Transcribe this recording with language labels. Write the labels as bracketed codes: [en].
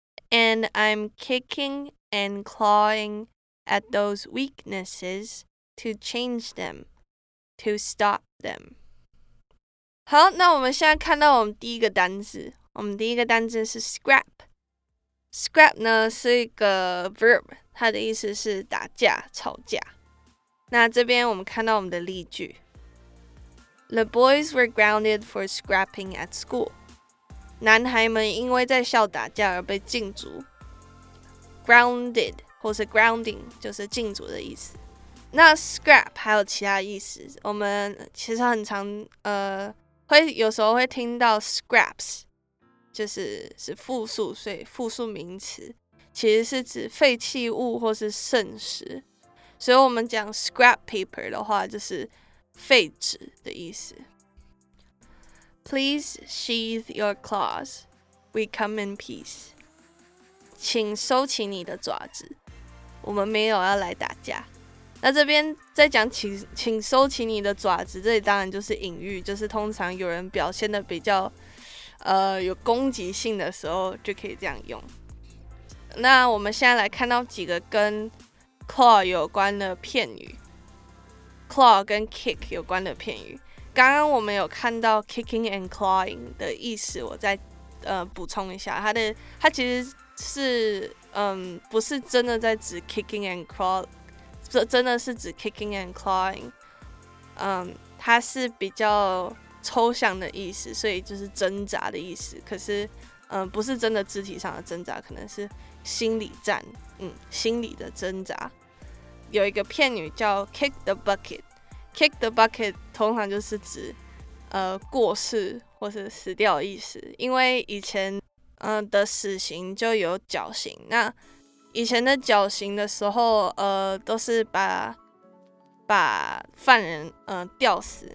[en] And I'm kicking and clawing at those weaknesses to change them, to stop them. [zh] 好，那我们现在看到我们第一个单字，我们第一个单字是 scrap。 Scrap 呢是一个 verb， 它的意思是打架、吵架。那这边我们看到我们的例句 [en] ：The boys were grounded for scrapping at school. [zh] 男孩们因为在校打架而被禁足。Grounded 或是 grounding 就是禁足的意思。那 scrap 还有其他意思，我们其实很常会有时候会听到 scraps， 就是复数，所以复数名词其实是指废弃物或是剩食。所以我们讲 scrap paper 的话，就是废纸的意思。 [en] Please sheath your claws. We come in peace. [zh] 请收起你的爪子，我们没有要来打架。那这边在讲请收起你的爪子，这里当然就是隐喻，就是通常有人表现的比较有攻击性的时候就可以这样用。那我们现在来看到几个跟 claw 有关的片语， claw 跟 kick 有关的片语。刚刚我们有看到 [en] kicking and clawing [zh] 的意思，我再补充一下，它其实是不是真的在指 kicking and claw， 真的是指 kicking and clawing， 它是比较抽象的意思，所以就是挣扎的意思。可是不是真的肢体上的挣扎，可能是心理战，心理的挣扎。有一个片语叫 [en] kick the bucket。 Kick the bucket [zh] 通常就是指过世或是死掉的意思，因为以前的死刑就有绞刑。那以前的绞刑的时候都是把犯人吊死。